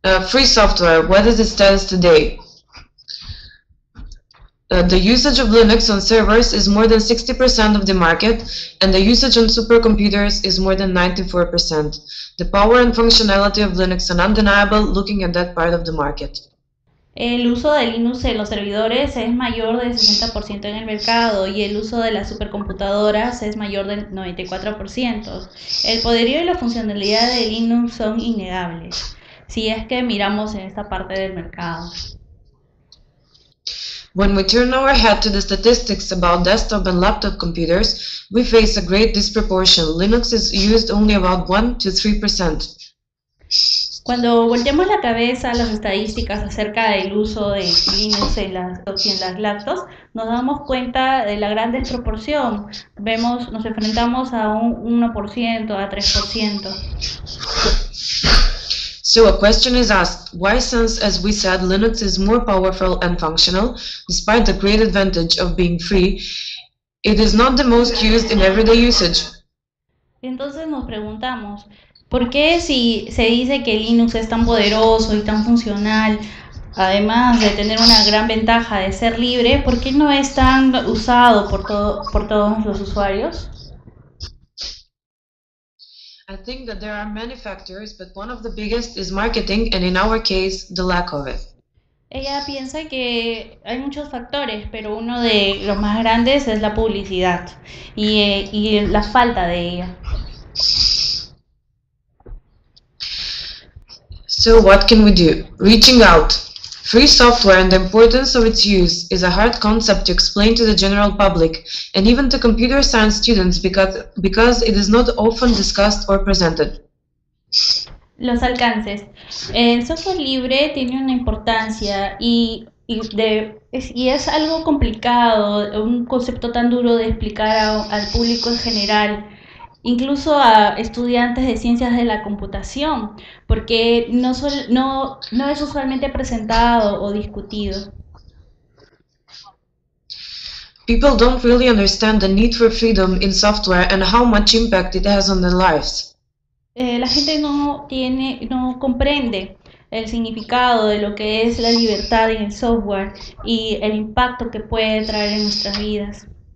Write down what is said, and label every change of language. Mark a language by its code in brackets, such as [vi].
[en] Free software, what is its status today? The usage of Linux on servers is more than 60% of the market, and the usage on supercomputers is more than 94%. The power and functionality of Linux are undeniable looking at that part of the market. [es] El uso de Linux en los servidores es mayor del 60% en el mercado y el uso de las supercomputadoras es mayor del 94%. El poderío y la funcionalidad de Linux son innegables, si es que miramos en esta parte del mercado. [en] When we turn our head to the statistics about desktop and laptop computers, we face a great disproportion. Linux is used only about 1 to 3%. [es] Cuando volteamos la cabeza a las estadísticas acerca del uso de Linux en las laptops, nos damos cuenta de la gran desproporción. Nos enfrentamos a un 1%, a 3%. [en] So a question is asked, why since, as we said, Linux is more powerful and functional, despite the great advantage of being free, it is not the most used in everyday usage? [es] Entonces nos preguntamos, ¿por qué si se dice que Linux es tan poderoso y tan funcional, además de tener una gran ventaja de ser libre, por qué no es tan usado por todos los usuarios? [en] I think that there are many factors, but one of the biggest is marketing, and in our case, the lack of it. [es] Ella piensa que hay muchos factores, pero uno de los más grandes es la publicidad y la falta de ella. [en] So what can we do? Reaching out. Free software and the importance of its use is a hard concept to explain to the general public and even to computer science students because it is not often discussed or presented. [es] Los alcances. El software libre tiene una importancia y es algo complicado, un concepto tan duro de explicar al público en general. Incluso a estudiantes de ciencias de la computación, porque no es usualmente presentado o discutido. [en] People don't really understand the need for freedom in software and how much impact it has on their lives. [es] La gente no comprende el significado de lo que es la libertad en el software y el impacto que puede traer en nuestras vidas.